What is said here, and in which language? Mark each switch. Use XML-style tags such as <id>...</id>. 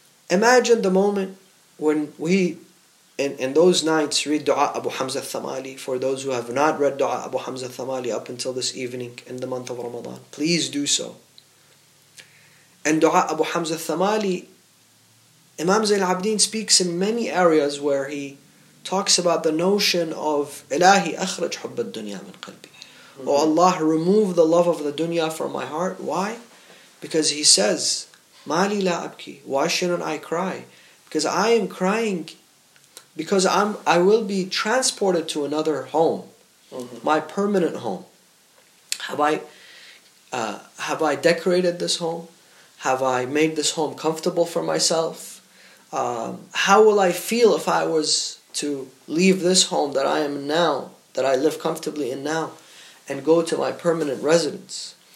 <en>Imagine the moment when we, in those nights, read Dua Abu Hamza Thamali. For those who have not read Dua Abu Hamza Thamali up until this evening in the month of Ramadan, please do so. And Dua Abu Hamza Thamali, Imam Zain al-Abidin speaks in many areas where he talks about the notion of</en> <ar>إلهي أخرج حب الدنيا من قلبي.</ar> <en>Mm-hmm. Oh Allah, remove the love of the dunya from my heart. Why? Because he says,</en> <ar>مالي لا أبكي.</ar> <en>Why shouldn't I cry? Because I am crying because I will be transported to another home. Mm-hmm. My permanent home. Have I decorated this home? Have I made this home comfortable for myself? How will I feel if I was to leave this home that I am in now, that I live comfortably in now, and go to my permanent residence?</en>